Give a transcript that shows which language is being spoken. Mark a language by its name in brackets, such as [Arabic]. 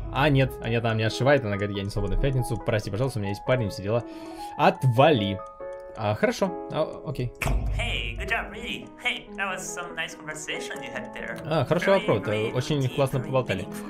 [Russian] Нет, она меня отшивает, она говорит, я не свободна в пятницу, прости, пожалуйста, у меня есть парень, все дела. Отвали. Хорошо, окей. [English] Hey, good job, really. Hey, that was some nice conversation you had there. [Russian] Хорошо, вопрос, [English] really, really [Russian] очень [English] deep, [Russian] классно [English] really [Russian] поболтали.